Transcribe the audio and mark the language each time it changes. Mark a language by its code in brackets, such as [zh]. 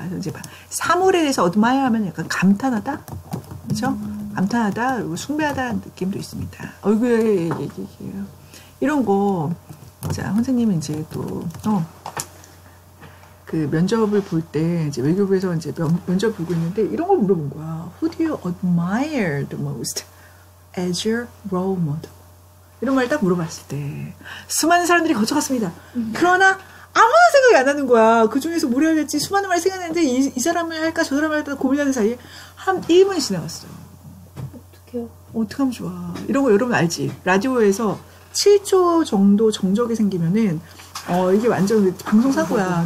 [ko] 그래서 이제 봐, 사물에 대해서 admire 하면 약간 감탄하다, 그렇죠? 감탄하다, 그리고 숭배하다는 느낌도 있습니다. 얼굴 얘기해요. 이런 거, 자, 선생님은 이제 또 그 면접을 볼 때 이제 외교부에서 이제 면접 보고 있는데 이런 걸 물어본 거야. [en] Who do you admire the most as your role model? [ko] 이런 말 딱 물어봤을 때 수많은 사람들이 거쳐갔습니다. 그러나 아무런 생각이 안 나는 거야. 그 중에서 뭘 해야 될지 수많은 말이 생각했는데 이 사람을 할까 저 사람을 할까 고민하는 사이에 한 1분이 지나갔어. 어떡해요? 어떡하면 좋아. 이런 거 여러분 알지? 라디오에서 7초 정도 정적이 생기면은 이게 완전 방송 사고야.